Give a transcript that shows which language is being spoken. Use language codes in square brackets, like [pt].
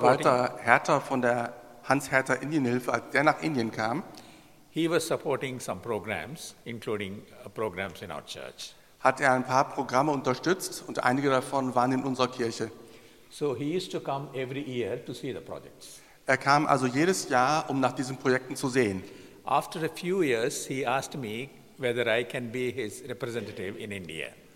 [de] Walter Herter von der Hans Herter Indienhilfe, als der nach Indien kam, [en] he was supporting some programs, including programs in our church. [de] Hat er ein paar Programme unterstützt und einige davon waren in unserer Kirche. [en] So he used to come every year to see the projects. [de] Er kam also jedes Jahr, um nach diesen Projekten zu sehen. [en] After a few years, he asked me whether I can be his representative in India.